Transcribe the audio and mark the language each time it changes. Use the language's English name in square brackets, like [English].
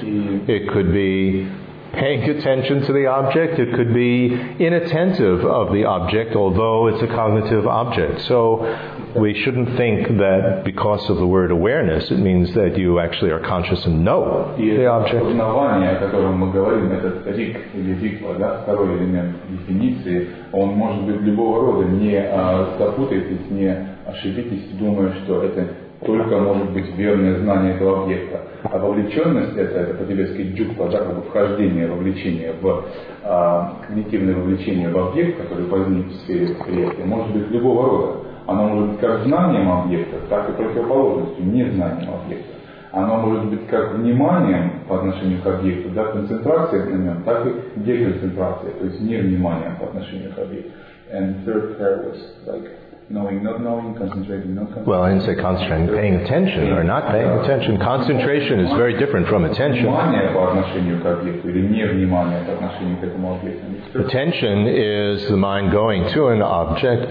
[English] It could be paying attention to the object. It could be inattentive of the object, although it's a cognitive object. So we shouldn't think that because of the word awareness, it means that you actually are conscious and know the object. [Russian] И это осознавание, о котором мы говорим, этот рик или рикла, да, второй элемент дефиниции, он может быть любого рода. Не запутайтесь, не ошибитесь, думая, что это только может быть верное знание этого объекта. А вовлеченность это по-тибетски джукпа, да, как бы вхождение, вовлечение в когнитивное вовлечение в объект, который возник в сфере восприятия, может быть любого рода. Оно может быть как знанием объекта, так и противоположностью, незнанием объекта. Оно может быть как вниманием по отношению к объекту, да, концентрацией на нем, так и деконцентрацией, то есть невниманием по отношению к объекту. [English] And third pair was like knowing, not knowing, concentrating, not concentrating. Well, I didn't say concentrating, paying attention or not paying attention. Concentration is very different from attention. Attention is the mind going to an object.